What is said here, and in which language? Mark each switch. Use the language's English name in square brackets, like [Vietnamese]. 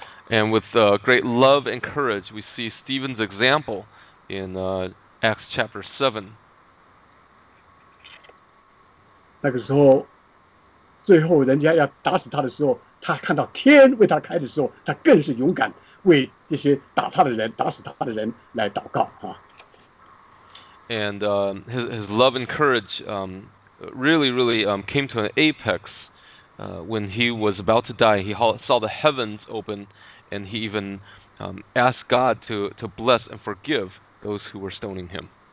[English] And with great love and courage, we see Stephen's example in Acts chapter 7. [Chinese] 那个时候，最后人家要打死他的时候，他看到天为他开的时候，他更是勇敢为这些打他的人、打死他的人来祷告啊。 [English] And his love and courage really came to an apex when he was about to die. He saw the heavens open, and he even asked God to bless and forgive those who were stoning him.